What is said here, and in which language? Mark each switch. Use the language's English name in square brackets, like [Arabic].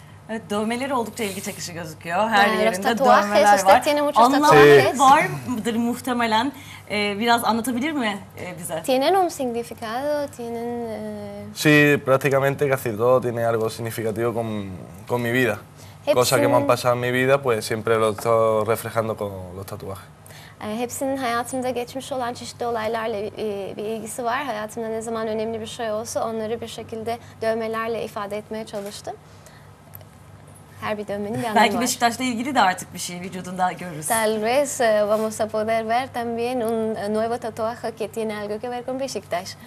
[Turkish] Evet, dövmeleri oldukça ilgi çekici gözüküyor. Her yerinde dövmeler var. Anlamı var mıdır muhtemelen? Biraz anlatabilir mi bize? [Spanish] Tienen un significado, tienen... Sí, prácticamente casi todo tiene algo significativo con mi vida. Cosa que me han pasado en mi vida, pues siempre lo estoy reflejando con los tatuajes. [Turkish] Hepsinin hayatımda geçmiş olan çeşitli olaylarla bir ilgisi var. Hayatımda ne zaman önemli bir şey olsa onları bir şekilde dövmelerle ifade etmeye çalıştım. Her bir dövmenin bir anlamı var. Belki Beşiktaş'la ilgili de artık bir şey vücudunda görürüz. [Spanish] Tal vez vamos a poder ver también un nuevo tatuaje que tiene algo que ver con Beşiktaş.